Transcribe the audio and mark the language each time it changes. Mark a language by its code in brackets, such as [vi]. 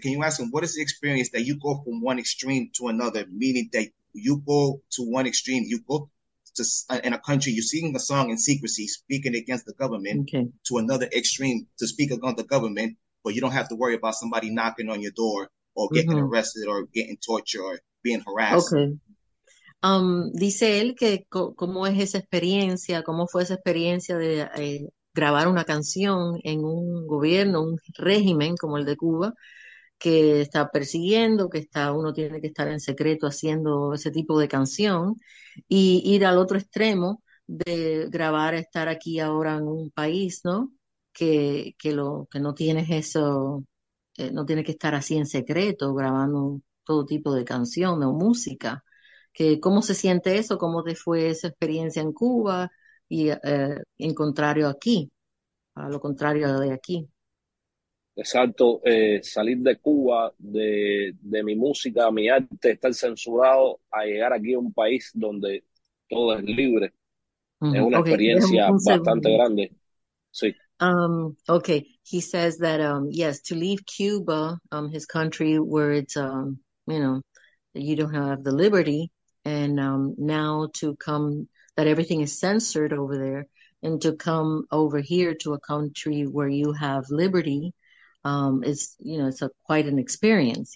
[en] Can you ask him, what is the experience that you go from one extreme to another, meaning that you go to one extreme, you go to in a country, you're singing a song in secrecy, speaking against the government, okay, to another extreme to speak against the government, but you don't have to worry about somebody knocking on your door or getting mm-hmm. arrested or getting tortured or being harassed. Okay. [es] Dice él que cómo es esa experiencia, cómo fue esa experiencia de grabar una canción en un gobierno, un régimen como el de Cuba, que está persiguiendo, que está, uno tiene que estar en secreto haciendo ese tipo de canción, y ir al otro extremo de grabar, estar aquí ahora en un país, ¿no? Que no tienes eso, no tienes que estar así en secreto grabando todo tipo de canción o música. ¿Cómo se siente eso? ¿Cómo te fue esa experiencia en Cuba? Y en contrario aquí, a lo contrario de aquí. Exacto. Salir de Cuba, de mi música, mi arte, estar censurado, a llegar aquí a un país donde todo es libre. Uh-huh. Es una experiencia bastante grande. Sí. [en] Okay. He says that, yes, to leave Cuba, his country, where it's, you know, you don't have the liberty. And now to come, that everything is censored over there, and to come over here to a country where you have liberty, is, you know, it's a, quite an experience.